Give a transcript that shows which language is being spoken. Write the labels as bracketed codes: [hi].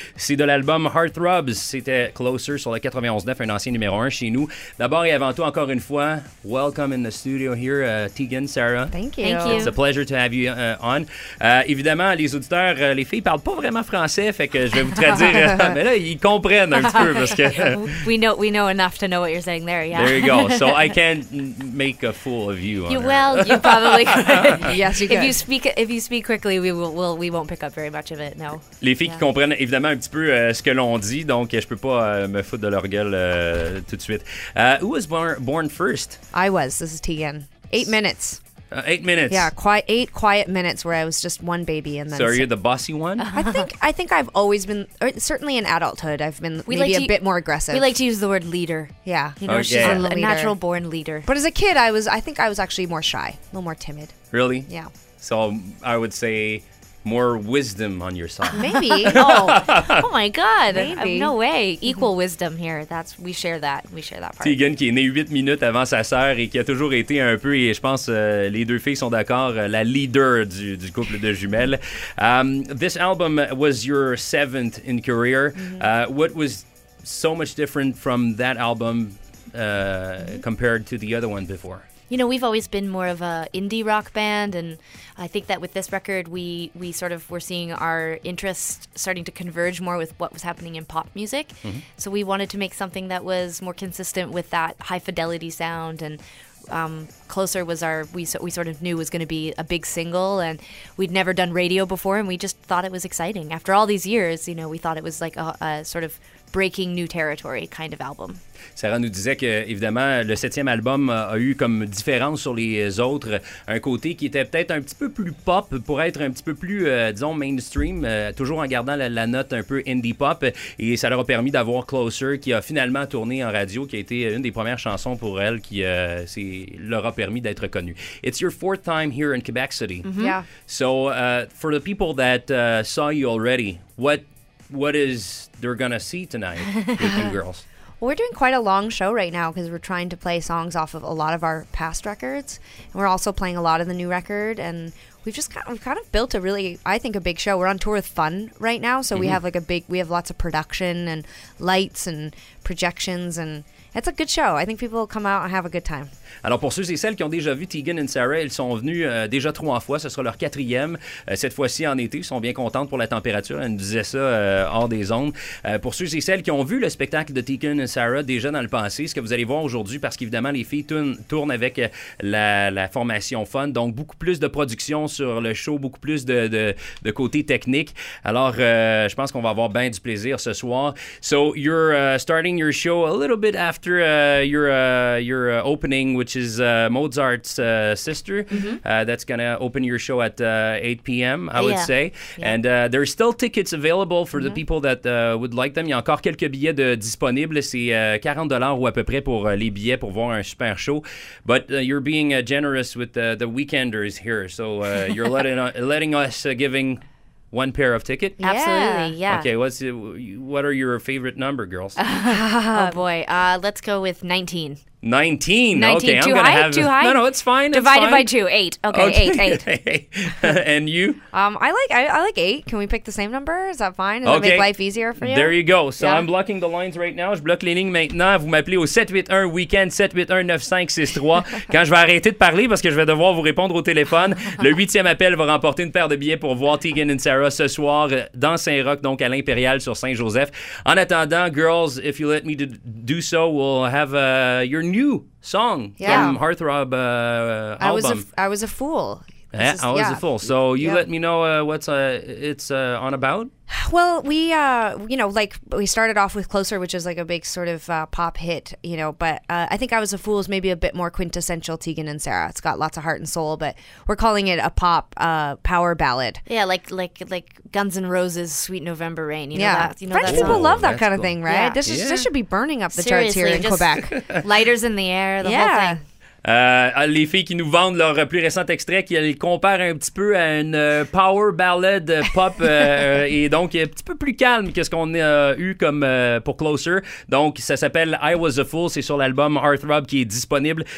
[fr] C'est de l'album Heartthrobs, c'était Closer sur le 91.9, un ancien numéro 1 chez nous. D'abord et avant tout, encore une fois, [en] welcome in the studio here, [fr] Tegan, Sarah. [en] Thank you. It's a pleasure to have you on. [fr] Évidemment, les auditeurs, les filles parlent pas vraiment français, fait que je vais vous traduire, mais là, ils comprennent un petit peu parce que [en] We know enough to know what you're saying there, yeah. There you go. So I can't make a fool of you. You will. You probably could. Yes, you could. If you speak quickly, we won't pick up very much of it, no. [fr] Les filles qui comprennent évidemment un petit peu ce que l'on dit, donc je peux pas me foutre de leur gueule tout de suite. [en] Who was born first? I was. This is Tegan. 8 minutes. 8 minutes. Yeah, eight quiet minutes where I was just one baby, and then. So are you the bossy one? I think I've always been, certainly in adulthood, I've been bit more aggressive. We like to use the word leader. Yeah, you know, she's a natural born leader. But as a kid, I think I was actually more shy, a little more timid. Really? Yeah. So I would say more wisdom on your side. Maybe. Oh my God. Maybe. No way. Equal wisdom here. We share that part. [fr] Tegan, qui est née 8 minutes avant sa sœur et qui a toujours été un peu, et je pense les deux filles sont d'accord, la leader du couple de jumelles. [en] This album was your 7th in career. Mm-hmm. What was so much different from that album compared to the other one before? You know, we've always been more of a indie rock band, and I think that with this record, we sort of were seeing our interests starting to converge more with what was happening in pop music. Mm-hmm. So we wanted to make something that was more consistent with that high fidelity sound, and Closer was we sort of knew was going to be a big single, and we'd never done radio before, and we just thought it was exciting. After all these years, you know, we thought it was like a sort of breaking new territory kind of album. [fr] Sarah nous disait que évidemment le 7e album a eu comme différence sur les autres un côté qui était peut-être un petit peu plus pop pour être un petit peu plus disons mainstream, toujours en gardant la note un peu indie pop, et ça leur a permis d'avoir Closer qui a finalement tourné en radio, qui a été une des premières chansons pour elle qui leur a permis d'être connue. [en] It's your 4th time here in Quebec City. Mm-hmm. Yeah. So for the people that saw you already, what is they're gonna see tonight with you girls? Well, we're doing quite a long show right now because we're trying to play songs off of a lot of our past records, and we're also playing a lot of the new record, and we've kind of built a really, I think, a big show. We're on tour with Fun right now, so mm-hmm. we have lots of production and lights and projections, and it's a good show. I think people will come out and have a good time. [fr] Alors, pour ceux et celles qui ont déjà vu Tegan et Sarah, ils sont venus déjà 3 fois. Ce sera leur 4e. Cette fois-ci, en été, ils sont bien contents pour la température. Elles nous disaient ça hors des ondes. Pour ceux et celles qui ont vu le spectacle de Tegan et Sarah déjà dans le passé, ce que vous allez voir aujourd'hui, parce qu'évidemment, les filles tournent avec la formation Fun, donc beaucoup plus de production sur le show, beaucoup plus de côté technique. Alors, je pense qu'on va avoir bien du plaisir ce soir. [en] So, you're starting your show a little bit after your opening, which is Mozart's sister, mm-hmm. That's going to open your show at 8 p.m., I would say. Yeah. And there are still tickets available for mm-hmm. the people that would like them. [fr] Il y a encore quelques billets disponibles. C'est $40 ou à peu près pour les billets pour voir un super show. [en] But you're being generous with the weekenders here. So you're letting us give one pair of tickets? Yeah. Absolutely, yeah. Okay, what are your favorite number, girls? Oh, boy. Let's go with 19. 19. Okay, too I'm high? Gonna have too high? No, it's fine. Divided by two. 8. Okay, eight. And you? I like 8. Can we pick the same number? Is that fine? Does that make life easier for you? There you go. So I'm blocking the lines right now. [fr] Je bloque les lignes maintenant. Vous m'appelez au 781 weekend 781-9563. Quand je vais arrêter de parler parce que je vais devoir vous répondre au téléphone. Le 8e appel va remporter une paire de billets pour voir Tegan et Sarah ce soir dans Saint-Roch, donc à l'Impérial sur Saint-Joseph. En attendant, [en] girls, if you let me do so, we'll have your new song from Heartthrob album. I was a fool. I was a fool. So you let me know what's it's on about. Well, we you know, like we started off with Closer, which is like a big sort of pop hit, you know. But I think I Was a Fool is maybe a bit more quintessential Tegan and Sarah. It's got lots of heart and soul, but we're calling it a pop power ballad. Yeah, like Guns N' Roses, Sweet November Rain. You know that, you know, French that people song. Love that kind of thing, right? Yeah. This should be burning up the Seriously, charts here in Quebec. Lighters in the air, the whole thing. [fr] Les filles qui nous vendent leur plus récent extrait, qui les comparent un petit peu à une power ballad pop et donc un petit peu plus calme que ce qu'on a eu comme pour Closer. Donc ça s'appelle I Was a Fool, c'est sur l'album Heartthrob qui est disponible.